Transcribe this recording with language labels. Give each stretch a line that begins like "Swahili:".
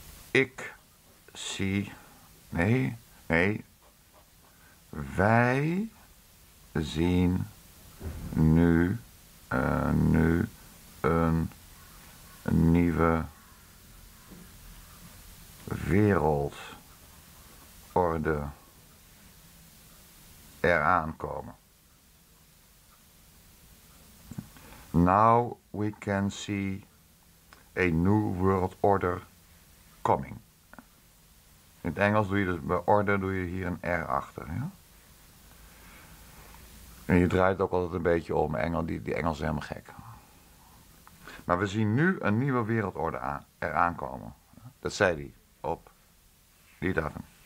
Dutch: Ik zie, nee, wij zien nu een nieuwe wereldorde eraan komen.
English: Now we can see a new world order coming.
Dutch: In het Engels doe je dus bij order doe je hier een R achter. Ja? En je draait ook altijd een beetje om. Die Engels zijn helemaal gek. Maar we zien nu een nieuwe wereldorde eraan komen. Dat zei hij op die datum.